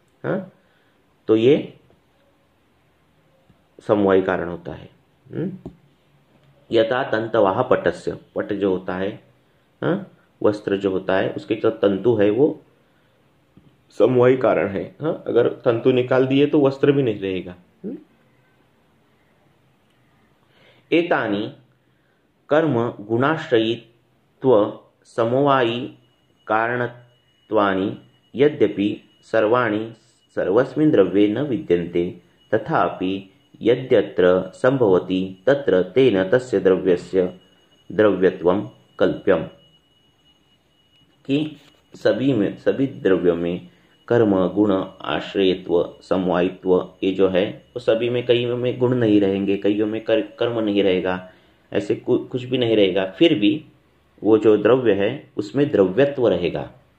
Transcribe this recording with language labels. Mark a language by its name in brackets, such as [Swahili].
[Hindi] हाँ, तो ये समवायी कारण होता है। [Sanskrit] यथा तंतवाह पटस्य, [Hindi] पट जो होता है वस्त्र जो होता है उसके जो तंतु है वो समवायी कारण है। हाँ, अगर तंतु निकाल दिए तो वस्त्र भी नहीं रहेगा। [Sanskrit] एतानि कर्म गुणाश्रयित्व समवायी कारणत्वानि यद्यपि सर्वाणि सर्वस्मिन् द्रव्ये न विद्यन्ते तथापि यद्यत्र संभवति तत्र तेन तस्य द्रव्यस्य द्रव्यत्वं कल्प्यम्। [Hindi] कि सभी द्रव्यों में कर्म गुण आश्रयित्व समवायित्व ये जो है वो सभी में, कईयों में गुण नहीं रहेंगे, कईयों में कर्म नहीं रहेगा, ऐसे कुछ भी नहीं रहेगा, फिर भी वो जो द्रव्य है उसमें द्रव्यत्व रहेगा।